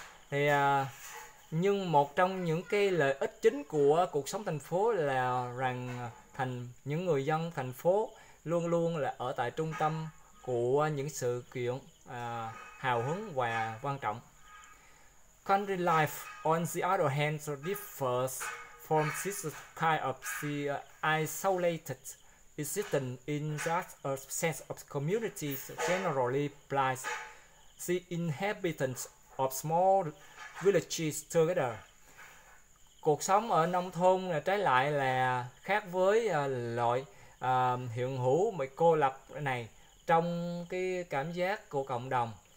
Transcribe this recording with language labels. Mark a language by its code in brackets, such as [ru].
[vi] Thì nhưng một trong những cái lợi ích chính của cuộc sống thành phố là rằng những người dân thành phố luôn luôn là ở tại trung tâm của những sự kiện hào hứng và quan trọng. [en] Country life, on the other hand, differs from this kind of the isolated existence in that a sense of community generally applies the inhabitants of small villages together. [vi] Cuộc sống ở nông thôn trái lại là khác với loại hiện hữu mà cô lập này trong cái cảm giác của cộng đồng.